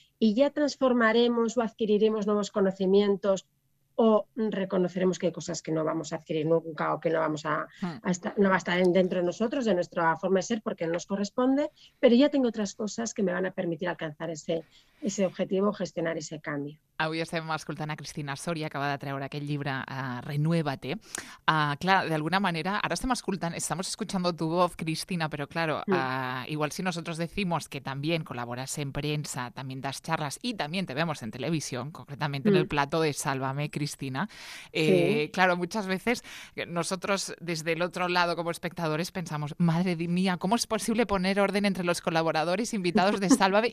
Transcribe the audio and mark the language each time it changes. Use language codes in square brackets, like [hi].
[es] Y ya transformaremos o adquiriremos nuevos conocimientos o reconoceremos que hay cosas que no vamos a adquirir nunca o que no vamos a estar, no va a estar dentro de nosotros, de nuestra forma de ser, porque no nos corresponde, pero ya tengo otras cosas que me van a permitir alcanzar ese objetivo o gestionar ese cambio. [ca] Avui estem escoltant a Cristina Soria, que acaba de treure aquest llibre, Renuévate. Clar, d'alguna manera, ara estem escoltant, [es] estamos escuchando tu voz, Cristina, però claro, igual si nosotros decimos que también colaboras en prensa, también das charlas y también te vemos en televisión, concretamente en el plato de Sálvame, Cristina. Sí. Claro, muchas veces nosotros desde el otro lado como espectadores pensamos, madre mía, ¿cómo es posible poner orden entre los colaboradores invitados de Sálvame?